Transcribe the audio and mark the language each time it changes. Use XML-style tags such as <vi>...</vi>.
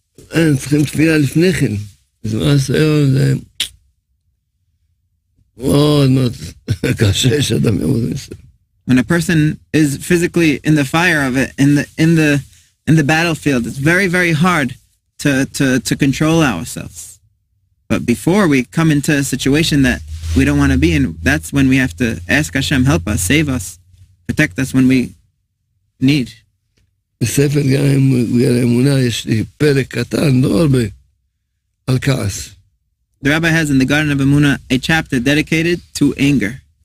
<he>אין, צריכים תפילה לפני כן. בזמן הסיון זה מאוד מאוד קשה שאדם יעמוד בניסיון.</he> <en>When a person is physically in the fire of it, in the in the battlefield, it's very, very hard to control ourselves. But before we come into a situation that we don't want to be in, that's when we have to ask Hashem, help us, save us, protect us when we need.</en> <he>בספר גם על אמונה יש לי פרק קטן, לא הרבה, על כעס.</he> <en>The rabbi has in the Garden of Emuna a chapter dedicated to anger.</en>